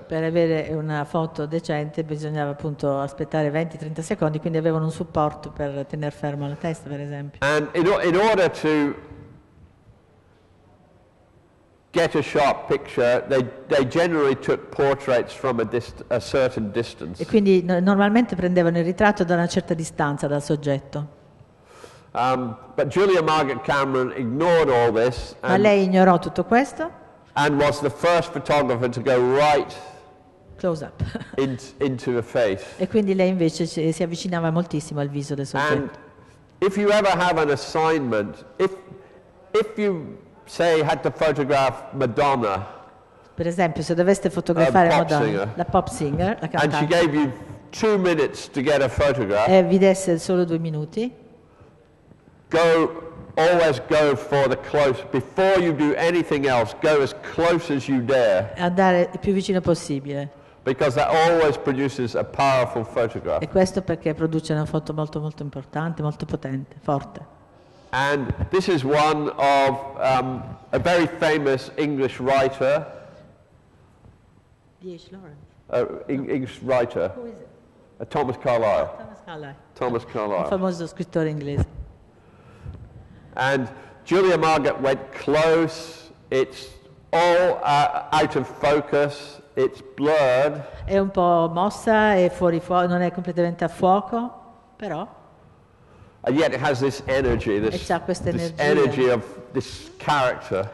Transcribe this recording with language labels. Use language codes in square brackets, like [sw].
[it] Per avere una foto decente bisognava appunto aspettare 20-30 secondi, quindi avevano un supporto per tenere fermo la testa, per esempio. [en] And in order to get a sharp picture, they generally took portraits from a certain distance. [it] E quindi normalmente prendevano il ritratto da una certa distanza dal soggetto. [en] But Julia Margaret Cameron ignored all this. [it] Ma lei ignorò tutto questo. [en] And was the first photographer to go right close up into the face. [it] E quindi lei invece si avvicinava moltissimo al viso del soggetto. [en] And if you ever have an assignment, if you say had to photograph Madonna, [it] per esempio se doveste fotografare Madonna, la pop singer, la cantante, [en] and she gave you 2 minutes to get a photograph, [it] e vi desse solo 2 minuti, [en] always go for the close before you do anything else. Go as close as you dare. [it] Andare il più vicino possibile. [en] Because that always produces a powerful photograph. [it] E questo perché produce una foto molto molto importante, molto potente, forte. [en] And this is one of a very famous English writer. D.H. Lawrence. English writer. Who is it? Thomas Carlyle. Thomas Carlyle. Thomas Carlyle. [it] Il famoso scrittore inglese. [en] And Julia Margaret went close, it's all out of focus, it's blurred. [it] È un po' mossa, è fuori fuoco, non è completamente a fuoco, però. [en] And yet it has this energy, this energy of this character.